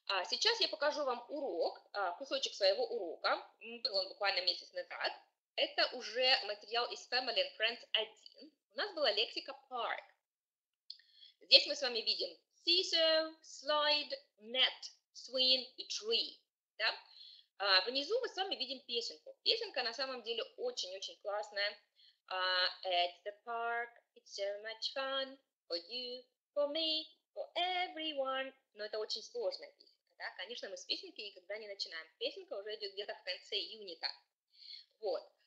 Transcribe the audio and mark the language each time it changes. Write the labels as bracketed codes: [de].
[ru] Сейчас я покажу вам урок, кусочек своего урока, был он буквально месяц назад, это уже материал из Family and Friends 1, у нас была лексика park, здесь мы с вами видим scissor, slide, net, swing и tree. Да? Внизу мы с вами видим песенку. Песенка на самом деле очень-очень классная. [en] At the park, it's so much fun for you, for me, for everyone. [ru] Но это очень сложная песенка. Да? Конечно, мы с песенки никогда не начинаем. Песенка уже идет где-то в конце юнита. Вот.